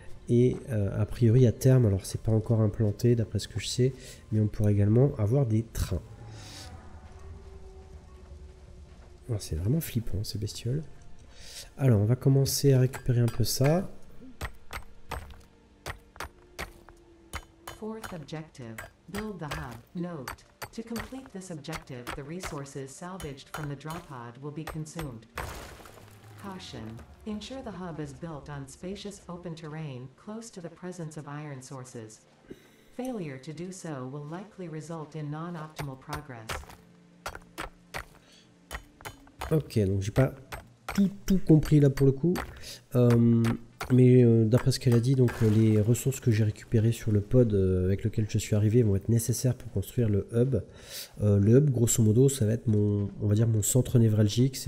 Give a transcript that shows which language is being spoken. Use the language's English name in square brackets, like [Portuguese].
[French] Et a priori, à terme, alors c'est pas encore implanté d'après ce que je sais, mais on pourra également avoir des trains. Alors, c'est vraiment flippant, ces bestioles. Alors, on va commencer à récupérer un peu ça. [English] Fourth objective, build the hub. Note, to complete this objective, the resources salvaged from the drop pod will be consumed. Caution, ensure the hub is built on spacious open terrain close to the presence of iron sources. Failure to do so will likely result in non-optimal progress. [French] Ok, donc j'ai pas tout compris là pour le coup. Mais d'après ce qu'elle a dit, donc les ressources que j'ai récupérées sur le pod avec lequel je suis arrivé vont être nécessaires pour construire le hub. Le hub, grosso modo, ça va être mon centre névralgique.